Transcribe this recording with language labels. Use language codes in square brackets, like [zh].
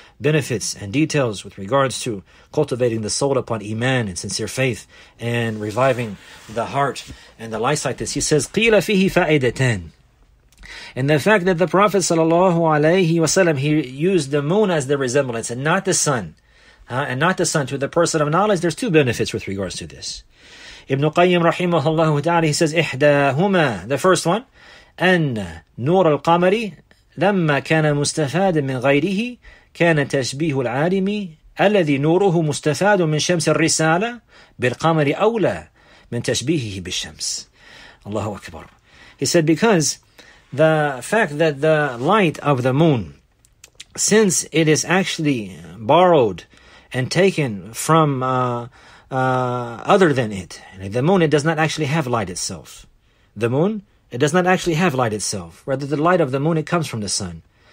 [en] benefits and details with regards to cultivating the soul upon iman and sincere faith, and reviving the heart and the life like this. He says, [ar] قِيلَ فِيهِ فَأَيْدَتَنْ. [en] And the fact that the Prophet sallallahu alayhi wa sallam, he used the moon as the resemblance and not the sun, and not the sun to the person of knowledge, there's two benefits with regards to this. Ibn Qayyim rahimahullah ta'ala, he says, [ar] إِحْدَاهُمَا, [en] the first one, [ar] أَنَّ نُورَ الْقَمَرِ لَمَّا كَانَ مُسْتَفَادٍ مِنْ غَيْرِهِ كَانَ تَشْبِيهُ الْعَالِمِ الَّذِي نُورُهُ مُسْتَفَادٌ مِنْ شَمْسِ الرِّسَالَةِ بِالْقَمَرِ أَوْلَى مِنْ تَشْبِيهِهِ بِالشَّمْسِ. Allahu Akbar. [en] He said, because the fact that the light of the moon, since it is actually borrowed and taken from other than it, the moon, it does not actually have light itself. The moon, it does not actually have light itself. Rather, the light of the moon, it comes from the sun.